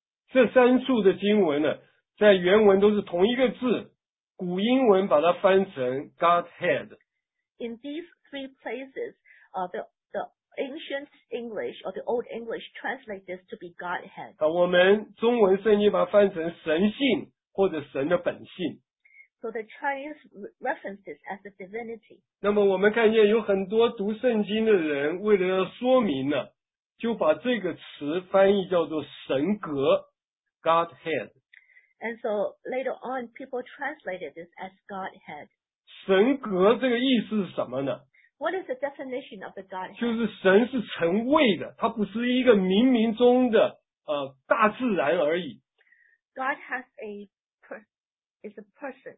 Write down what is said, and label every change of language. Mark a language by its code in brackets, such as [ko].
[zh] 这三处的经文呢，在原文都是同一个字，古英文把它翻成 Godhead. [en] In these three places, the ancient English or the old English translate this to be Godhead. [zh] 我们中文圣经把它翻成神性或者神的本性。 [en] So the Chinese reference this as the divinity. [zh] 那么我们看见有很多读圣经的人为了要说明呢，就把这个词翻译叫做神格 Godhead. [en] And so later on, people translated this as Godhead. [zh] 神格这个意思是什么呢？ [en] What is the definition of the Godhead? [zh] 就是神是成位的，它不是一个冥冥中的大自然而已。 [en] God has a person. It's a person.